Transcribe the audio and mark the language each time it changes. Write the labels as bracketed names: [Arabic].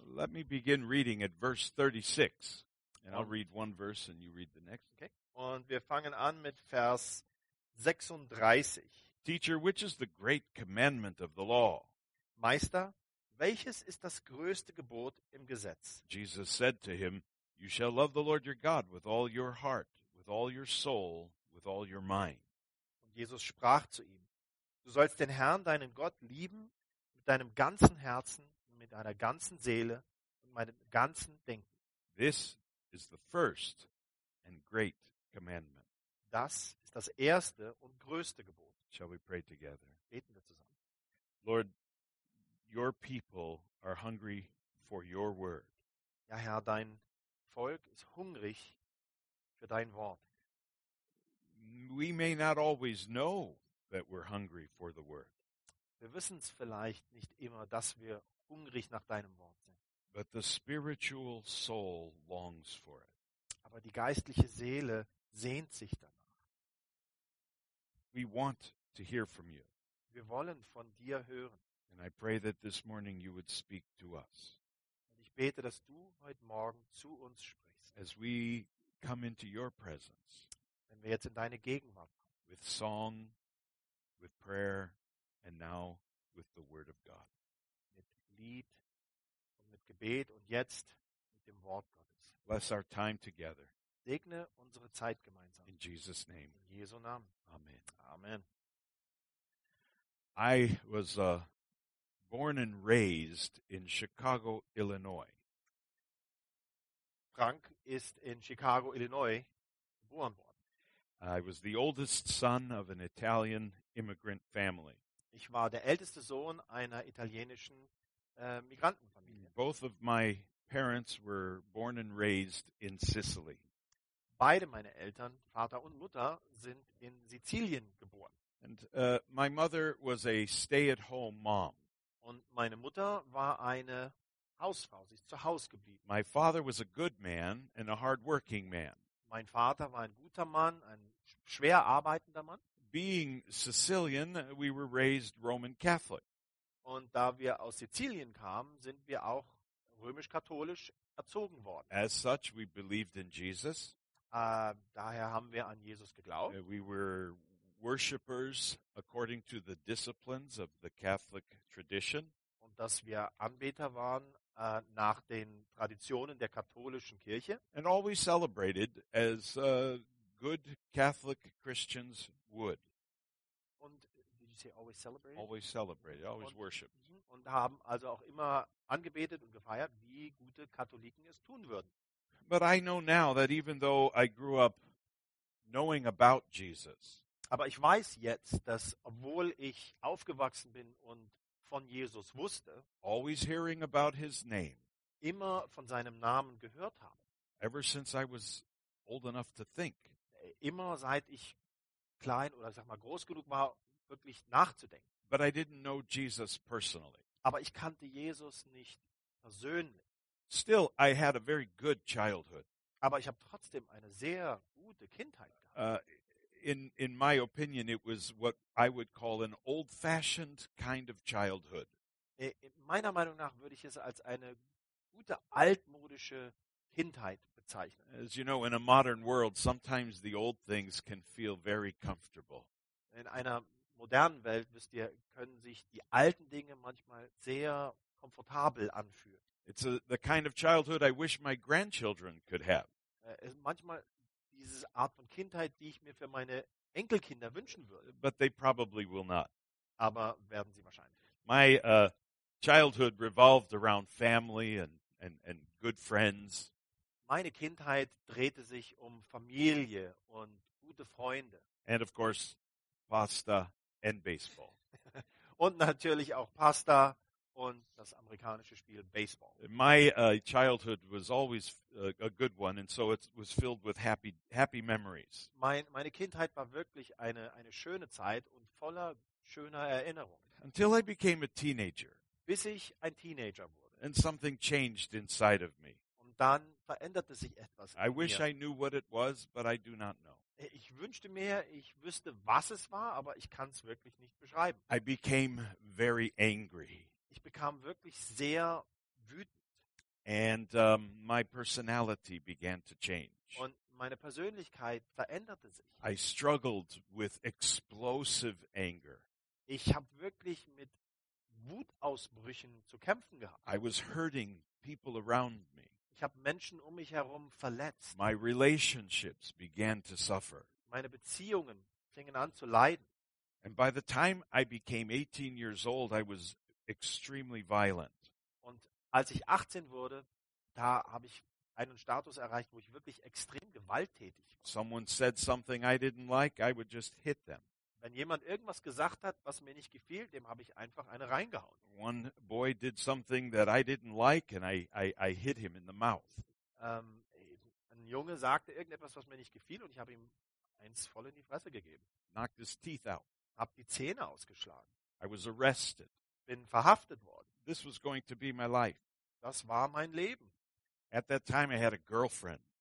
[English] Let me begin reading at verse 36. And I'll read one verse and you read the next. [German] Okay. Und wir fangen an mit Vers 36. [English] Teacher, which is the great commandment of the law? [German] Meister, welches ist das größte Gebot im Gesetz? [English] Jesus said to him, you shall love the Lord your God with all your heart, with all your soul, with all your mind. [German] Und Jesus sprach zu ihm, du sollst den Herrn, deinen Gott, lieben mit deinem ganzen Herzen, deiner ganzen Seele und meinem ganzen Denken. [English] This is the first and great commandment. [German] Das ist das erste und größte Gebot. [English] Shall we pray together? [German] Beten wir zusammen. [English] Lord, your people are hungry for your word. [German] Ja, Herr, dein Volk ist hungrig für dein Wort. [English] We may not always know that we're hungry for the word. [German] Wir wissen es vielleicht nicht immer, dass wir hungrig nach deinem Wort sind. [English] But the spiritual soul longs for it. [German] Aber die geistliche Seele sehnt sich danach. [English] We want to hear from you. [German] Wir wollen von dir hören. [English] And I pray that this morning you would speak to us. [German] Und ich bete, dass du heute Morgen zu uns sprichst. [English] As we come into your presence. [German] Wenn wir jetzt in deine Gegenwart kommen. [English] With song, with prayer, and now with the word of God. [German] Mit Lied und mit Gebet und jetzt mit dem Wort Gottes. [English] Bless our time together. [German] Segne unsere Zeit gemeinsam. [English] In Jesus' name. [German] In Jesu Namen. [English] Amen. [German] Amen. [English] I was born and raised in Chicago, Illinois. [German] Frank ist in Chicago, Illinois geboren worden. [English] I was the oldest son of an Italian immigrant family. [German] Ich war der älteste Sohn einer italienischen Migrantenfamilie. [English] Both of my parents were born and raised in Sicily. [German] Beide meine Eltern, Vater und Mutter, sind in Sizilien geboren. [English] And my mother was a stay-at-home mom. [German] Und meine Mutter war eine Hausfrau, sie ist zu Hause geblieben. [English] My father was a good man and a hard-working man. [German] Mein Vater war ein guter Mann, ein schwer arbeitender Mann. [English] Being Sicilian, we were raised Roman Catholic. [German] Und da wir aus Sizilien kamen, sind wir auch römisch-katholisch erzogen worden. [English] As such, we believed in Jesus. [German] Daher haben wir an Jesus geglaubt. [English] We were worshippers according to the disciplines of the Catholic tradition. [German] Und dass wir Anbeter waren nach den Traditionen der katholischen Kirche. [English] And always celebrated as good Catholic Christians would. [German] Und [English] did you say always celebrated? Always celebrated, always worshiped. [German] Und haben also auch immer angebetet und gefeiert, wie gute Katholiken es tun würden. [English] But I know now that even though I grew up knowing about Jesus. [German] Aber ich weiß jetzt, dass obwohl ich aufgewachsen bin und von Jesus wusste, [English] always hearing about his name. [German] Immer von seinem Namen gehört habe. [English] Ever since I was old enough to think. [German] Immer seit ich klein oder ich sag mal groß genug war, wirklich nachzudenken. [English] But I didn't know Jesus personally. [German] Aber ich kannte Jesus nicht persönlich. [English] Still, I had a very good childhood. [German] Aber ich habe trotzdem eine sehr gute Kindheit gehabt. [English] In my opinion, it was what I would call an old-fashioned kind of childhood. [German] In meiner Meinung nach würde ich es als eine gute altmodische Kindheit bezeichnen. [English] As you know, in a modern world, sometimes the old things can feel very comfortable. [German] In einer modernen Welt, wisst ihr, können sich die alten Dinge manchmal sehr komfortabel anfühlen. [English] It's the kind of childhood I wish my grandchildren could have. [German] Manchmal diese Art von Kindheit, die ich mir für meine Enkelkinder wünschen würde. [English] But they probably will not. [German] Aber werden sie wahrscheinlich. [English] My childhood revolved around family and good friends. [German] Meine Kindheit drehte sich um Familie und gute Freunde. [English] And of course, Pasta and Baseball. [German] Und natürlich auch Pasta und das amerikanische Spiel Baseball. [English] My childhood was always a good one, and so it was filled with happy memories. [German] Meine Kindheit war wirklich eine schöne Zeit und voller schöner Erinnerungen. [English] Until I became a teenager. [German] Bis ich ein Teenager wurde. [English] And something changed inside of me. [German] Und dann veränderte sich etwas in mir. [English] I wish I knew what it was, but I do not know. [German] Ich wünschte mir, ich wüsste, was es war, aber ich kann es wirklich nicht beschreiben. [English] I became very angry. [German] Ich bekam wirklich sehr wütend. [English] And my personality began to change. [German] Und meine Persönlichkeit veränderte sich. [English] I struggled with explosive anger. [German] Ich habe wirklich mit Wutausbrüchen zu kämpfen gehabt. [English] I was hurting people around me. [German] Ich habe Menschen um mich herum verletzt. [English] My relationships began to suffer. [German] Meine Beziehungen fingen an zu leiden. [English] And by the time I became 18 years old, I was extremely violent. [German] Und Als ich 18 wurde, da habe ich einen Status erreicht, wo ich wirklich extrem gewalttätig war. [English] Someone said something I didn't like, I would just hit them. [German] Wenn jemand irgendwas gesagt hat, was mir nicht gefiel, dem habe ich einfach eine reingehauen. [English] One boy did something that I didn't like and I hit him in the mouth. [German] Ein Junge sagte irgendetwas, was mir nicht gefiel und ich habe ihm eins voll in die Fresse gegeben. [English] Knocked his teeth out. [German] Hab die Zähne ausgeschlagen. [English] I was arrested. [German] Bin verhaftet worden. [English] This was going to be my life. [German] Das war mein Leben. [English] At that time I had a girlfriend.